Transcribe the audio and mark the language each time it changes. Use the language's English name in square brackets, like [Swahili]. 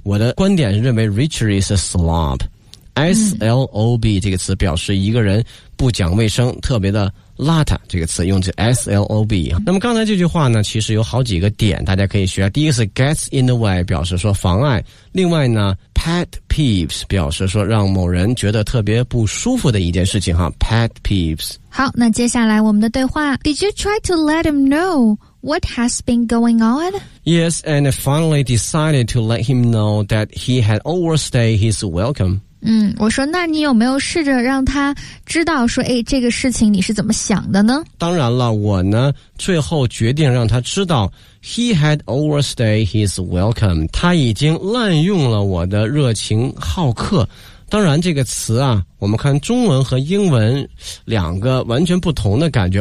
[Chinese] 我的观点是认为 [English] Richard is a slob。 [Chinese] SLOB 这个词表示一个人不讲卫生，特别的邋遢，这个词用这 SLOB。那么刚才这句话呢其实有好几个点大家可以学。第一个是 gets in the way， 表示说妨碍。另外呢 pet peeves 表示说让某人觉得特别不舒服的一件事情哈。pet peeves。好，那接下来我们的对话。 [English] Did you try to let him know what has been going on？ Yes， and I finally decided to let him know that he had overstayed his welcome。 [Chinese] 我说那你有没有试着让他知道说这个事情你是怎么想的呢？当然了，我呢最后决定让他知道 [English] he had overstayed his welcome， [Chinese] 他已经滥用了我的热情好客。当然这个词啊我们看中文和英文两个完全不同的感觉。